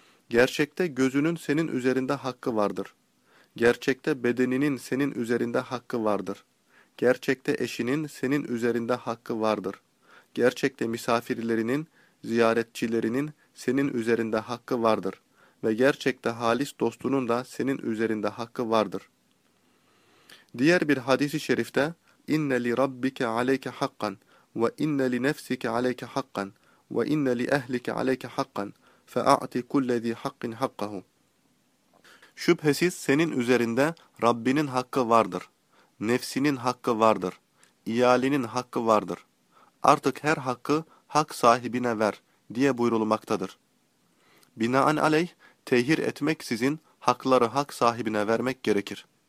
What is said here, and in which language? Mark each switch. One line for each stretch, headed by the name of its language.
Turkish: Gerçekte gözünün senin üzerinde hakkı vardır. Gerçekte bedeninin senin üzerinde hakkı vardır. Gerçekte eşinin senin üzerinde hakkı vardır. Gerçekte misafirlerinin, ziyaretçilerinin senin üzerinde hakkı vardır. Ve gerçekte halis dostunun da senin üzerinde hakkı vardır. Diğer bir hadis-i şerifte,
Arabic: اِنَّ لِرَبِّكَ عَلَيْكَ حَقًّا وَاِنَّ لِنَفْسِكَ عَلَيْكَ حَقًّا وَاِنَّ لِأَهْلِكَ عَلَيْكَ حَقًّا فَاَعْتِ كُلَّ ذِي حَقٍّ حَقَّهُ.
Turkish: Şüphesiz senin üzerinde Rabbinin hakkı vardır. Nefsinin hakkı vardır. İyalinin hakkı vardır. Artık her hakkı hak sahibine ver diye buyurulmaktadır. Binaenaleyh, tehir etmeksizin hakları hak sahibine vermek gerekir.